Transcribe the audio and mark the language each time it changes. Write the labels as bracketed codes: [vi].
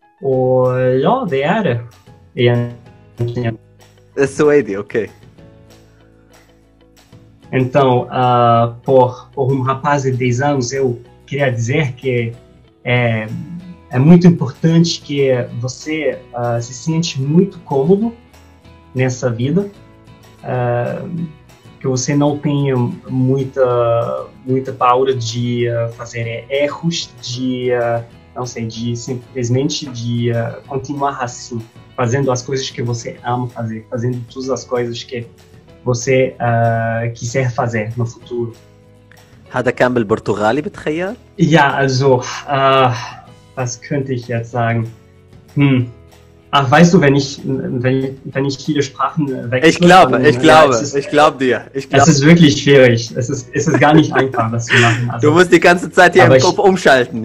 [sv] Och ja, det är det egentligen. Så är det, okej. [pt] Então, por um rapaz de 10 anos, eu queria dizer que é muito importante que você se sente muito cômodo nessa vida. Que você não tenha muita paura de fazer erros, de não sei, de simplesmente de continuar assim, fazendo as coisas que você ama fazer, fazendo todas as coisas que você quiser fazer no futuro. [ar] هذا كان بالبرتغالي بتخيل؟ [de] Ja, also, was könnte ich jetzt sagen? Ach, weißt du, wenn ich viele Sprachen wechsle... Ich glaube dir. Es ist wirklich schwierig. Es ist gar nicht einfach, das zu machen. Also, du musst die ganze Zeit hier im Kopf umschalten.